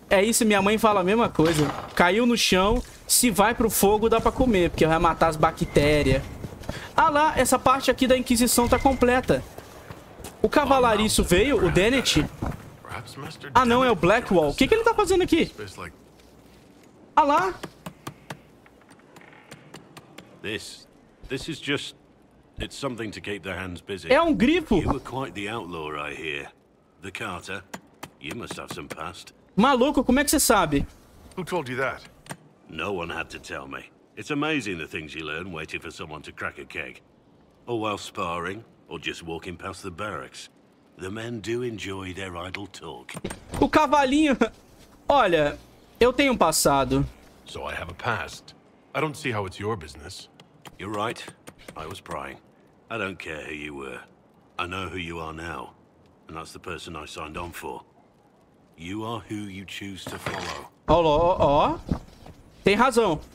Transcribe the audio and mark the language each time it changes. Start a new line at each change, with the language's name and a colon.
Portuguese: É isso, minha mãe fala a mesma coisa. Caiu no chão, se vai pro fogo dá pra comer, porque vai matar as bactérias. Ah lá, essa parte aqui da Inquisição tá completa. O cavalariço veio, o Dennett? Ah não, é o Blackwall. O que, que ele tá fazendo aqui? Ah lá.
English: This is just, it's something to keep their hands busy.
Portuguese: É um grifo.
English: You were quite the outlaw, I hear. The Carter. You must have some past.
Portuguese: Maluco, como é que você sabe?
English: Who told you that? No one had to tell me. It's amazing the things you learn waiting for someone to crack a keg. Or while sparring, or just walking past the barracks. The men do enjoy their idle talk.
Portuguese: O cavalinho. Olha, eu tenho um passado.
English: So I have a past. I don't see how it's your business. You're right. I was prying. I don't care who you were. I know who you are now. And that's the person I signed on for. You are who you choose to follow.
Portuguese: Olá, ó. Tem razão.